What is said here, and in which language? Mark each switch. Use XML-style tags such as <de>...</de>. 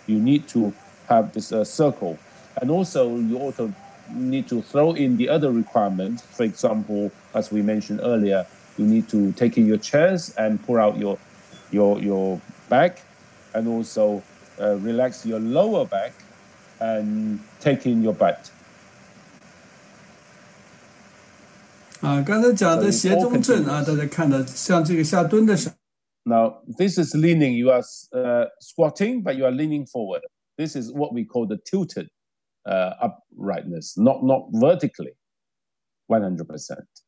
<en>You need to have this circle. And also you also need to throw in the other requirements. For example, as we mentioned earlier, you need to take in your chest and pull out your back, and also relax your lower back and take in your butt.</en> <zh>刚才讲的斜中正啊，大家看到像这个下蹲的时候。</zh> <en>Now, this is leaning. You are squatting, but you are leaning forward. This is what we call the tilted uprightness, not vertically, 100%.</en>